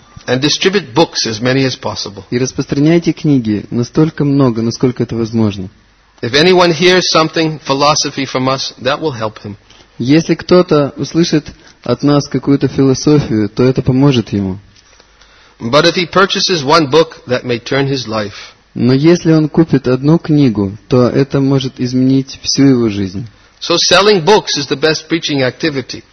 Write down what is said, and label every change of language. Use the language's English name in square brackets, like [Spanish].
[English] And distribute books as many as possible. [Russian] И распространяйте книги настолько много, насколько это возможно. [English] If anyone hears something philosophy from us, that will help him. [Russian] Если кто-то услышит от нас какую-то философию, то это поможет ему. [English] But if he purchases one book, that may turn his life. [Russian] Но если он купит одну книгу, то это может изменить всю его жизнь. [English] So selling books is the best preaching activity.